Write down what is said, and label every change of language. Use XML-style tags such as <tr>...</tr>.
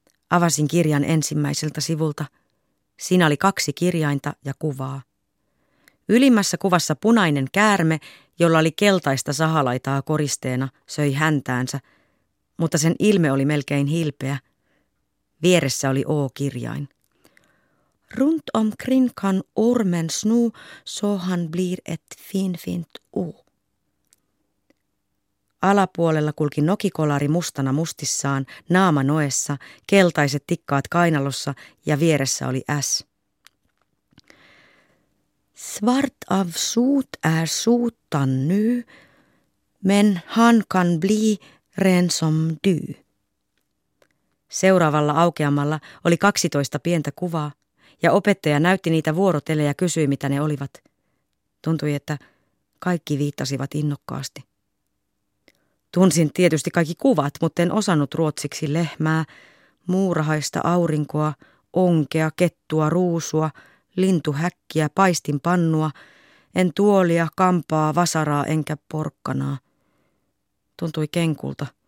<fi>Avasin kirjan ensimmäiseltä sivulta. Siinä oli kaksi kirjainta ja kuvaa. Ylimmässä kuvassa punainen käärme, jolla oli keltaista sahalaitaa koristeena, söi häntäänsä, mutta sen ilme oli melkein hilpeä. Vieressä oli O-kirjain.</fi> <sv>Runt om kring kan ormen snu, så han blir ett finfint u.</sv> <fi>Alapuolella kulki nokikolari mustana mustissaan, naama noessa, keltaiset tikkaat kainalossa ja vieressä oli S.</fi> <sv>Svart av sot är sotan nu, men han kan bli ren som du.</sv> <fi>Seuraavalla aukeamalla oli 12 pientä kuvaa. Ja opettaja näytti niitä vuorotelle ja kysyi, mitä ne olivat. Tuntui, että kaikki viittasivat innokkaasti. Tunsin tietysti kaikki kuvat, mutta en osannut ruotsiksi lehmää, muurahaista aurinkoa, onkea, kettua, ruusua, lintuhäkkiä, paistinpannua, en tuolia, kampaa, vasaraa enkä porkkanaa. Tuntui kenkulta.</fi>